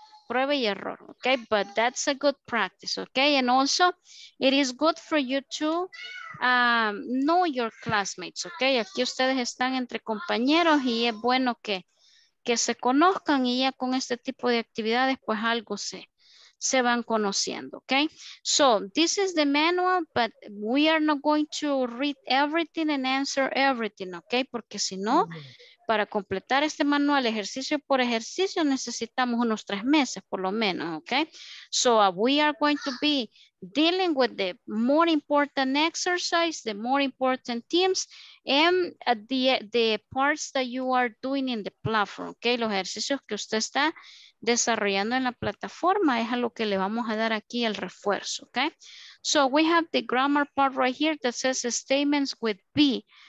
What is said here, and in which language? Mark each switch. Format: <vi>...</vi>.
<es>Prueba y error,</es> <en>¿ok? But that's a good practice, ¿ok? And also, it is good for you to know your classmates, ¿ok?</en> <es>Aquí ustedes están entre compañeros y es bueno que se conozcan y ya con este tipo de actividades, pues algo se van conociendo, ¿ok?</es> <en>So, this is the manual, but we are not going to read everything and answer everything, ¿ok?</en> <es>Porque si no, para completar este manual ejercicio por ejercicio necesitamos unos 3 meses por lo menos, okay?</es> <en>So we are going to be dealing with the more important exercise, the more important themes, and the parts that you are doing in the platform, okay?</en> <es>Los ejercicios que usted está desarrollando en la plataforma es a lo que le vamos a dar aquí el refuerzo, okay?</es> <en>So we have the grammar part right here that says statements with be.</en>